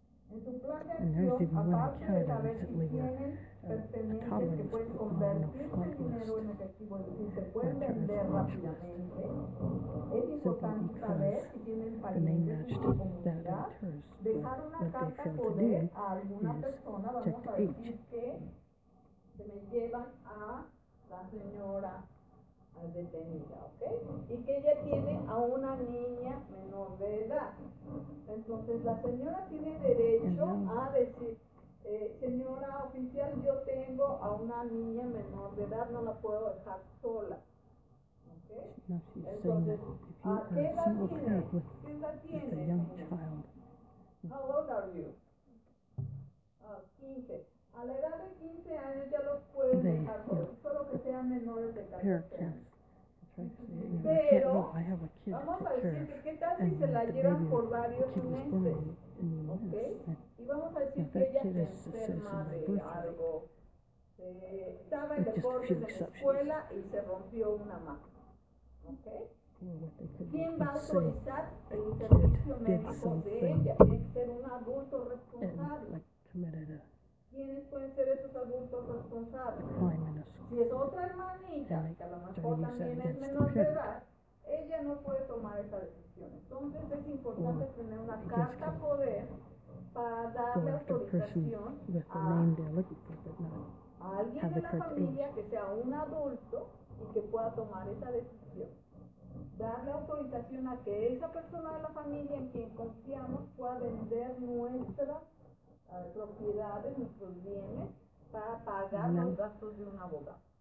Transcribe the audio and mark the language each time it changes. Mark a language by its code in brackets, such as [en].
[es] En su plan de acción, aparte de saber si tienen pertenencias que pueden convertirse en dinero en efectivo, es decir, se pueden vender rápidamente, es importante saber si tienen parientes en la comunidad, dejar una carta de poder a alguna persona, vamos a decir que se me llevan a la señora detenida, ¿ok? Y que ella tiene a una niña menor de edad. Entonces la señora tiene derecho a decir, señora oficial, yo tengo a una niña menor de edad, no la puedo dejar sola. [en] No, she's saying that if you are a single parent with a young child. How old are you? 15. [es] A la edad de 15 años ya los pueden dejar, solo que sean menores de 14. Pero, vamos a decir que qué tal si se la llevan por varios meses, ¿ok? Y vamos a decir que ella se enferma de algo. Estaba en deportes en la escuela y se rompió una mano. Okay. ¿Quién va a autorizar el servicio médico de ella? Tiene que ser un adulto responsable. ¿Quiénes pueden ser esos adultos responsables? Si es otra hermanita, que a lo mejor también es menor de edad, ella no puede tomar esa decisión. Entonces es importante tener una carta poder para darle autorización [en] with the name they're looking for, but not [es] a alguien de la familia que sea un adulto y que pueda tomar esa decisión. Darle autorización a que esa persona de la familia en quien confiamos pueda vender nuestras propiedades, nuestros bienes, para pagar los gastos de un abogado.